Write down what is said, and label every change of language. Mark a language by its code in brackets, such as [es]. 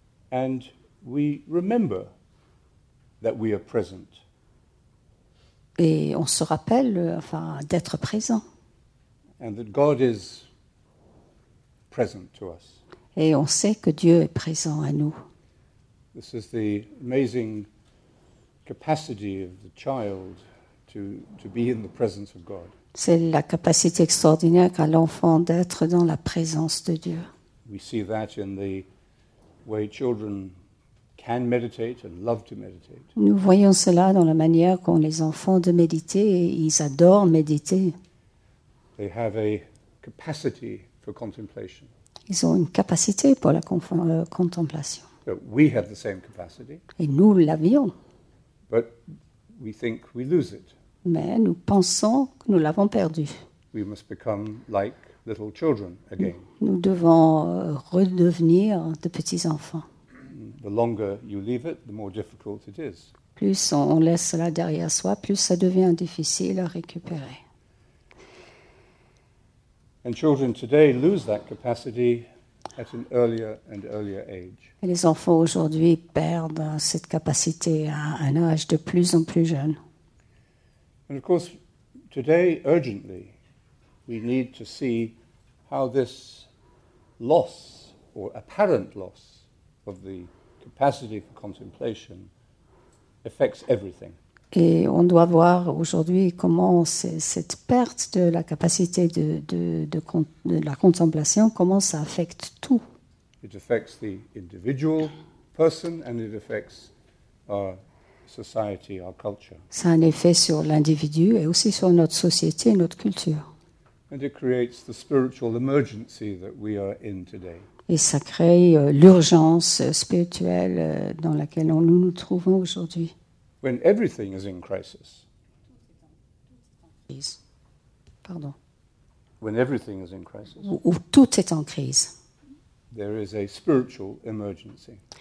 [en] And we remember that we are present. [fr] Et on se rappelle enfin, d'être présent. [en] And that God is present to us. [fr] Et on sait que Dieu est présent à nous. [en] This is the amazing capacity of the child to be in the presence of God. [fr] C'est la capacité extraordinaire qu'a l'enfant d'être dans la présence de Dieu. [en] We see that in the way children can meditate and love to meditate. [fr] Nous voyons cela dans la manière qu'ont les enfants de méditer. Ils adorent méditer. [en] They have a capacity for contemplation. [fr] Ils ont une capacité pour la contemplation. [en] But we have the same capacity. [fr] Et nous l'avions. [en] But we think we lose it. [fr] Mais nous pensons que nous l'avons perdu. [en] We must become like little children again. [fr] Nous devons redevenir de petits enfants. [en] The longer you leave it, the more difficult it is. [fr] Plus on laisse cela derrière soi, plus ça devient difficile à récupérer. [en] And children today lose that capacity at an earlier and earlier age. [fr] Et les enfants aujourd'hui perdent cette capacité à un âge de plus en plus jeune. [en] And of course, today, urgently, we need to see how this loss, or apparent loss, of the capacity for contemplation affects everything. [fr] Et on doit voir aujourd'hui comment cette perte de la capacité de la contemplation, comment ça affecte tout. [en] It affects the individual person and it affects our society, our culture. [fr] Ça a un effet sur l'individu et aussi sur notre société, notre culture. [en] And it creates the spiritual emergency that we are in today. [fr] Et ça crée l'urgence spirituelle dans laquelle nous nous trouvons aujourd'hui. [en] When everything is in crisis. Please. pardon. When everything is in crisis, [fr] où tout est en crise. [en] There is a spiritual emergency.